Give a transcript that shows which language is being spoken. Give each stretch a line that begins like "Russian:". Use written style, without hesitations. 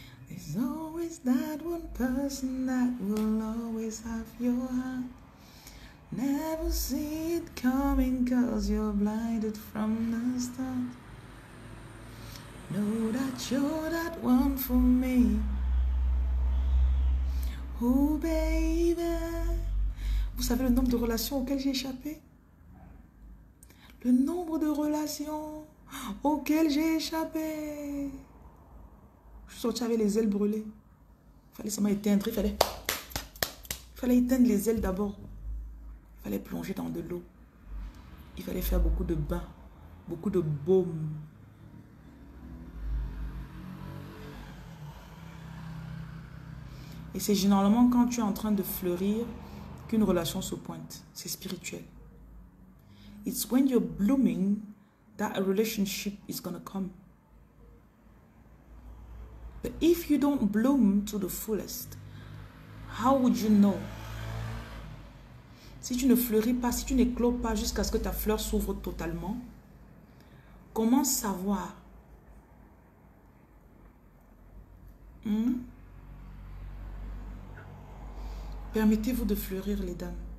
English: There's always that one person that will always have your heart. Never see it coming cause you're blinded from the start. Know that you're that one for me. Oh baby.
French: Vous savez le nombre de relations auxquelles j'ai échappé? Le nombre de relations auxquelles j'ai échappé. Je suis sortie avec les ailes brûlées. Fallait seulement éteindre. Il fallait éteindre les ailes d'abord. Il fallait plonger dans de l'eau. Il fallait faire beaucoup de bains. Beaucoup de baumes. Et c'est généralement quand tu es en train de fleurir qu'une relation se pointe. C'est spirituel.
English: It's when you're blooming that a relationship is gonna come. But if you don't bloom to the fullest, how would you know?
French: Si tu ne fleuris pas, si tu n'éclos pas jusqu'à ce que ta fleur s'ouvre totalement, comment savoir? Permettez-vous de fleurir, les dames.